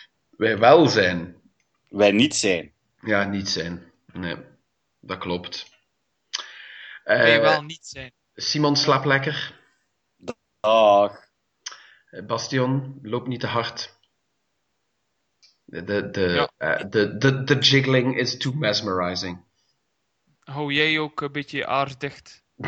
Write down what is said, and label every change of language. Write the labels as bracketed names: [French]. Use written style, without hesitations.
[Dutch] Wij wel zijn. Wij niet zijn. Ja, niet zijn. Nee, dat klopt. Wij wel niet zijn. Simon, slaap lekker. Dag. Bastion, loop niet te hard. Ja. [English] De jiggling is too mesmerizing. [Dutch] Hou jij ook een beetje aars dicht?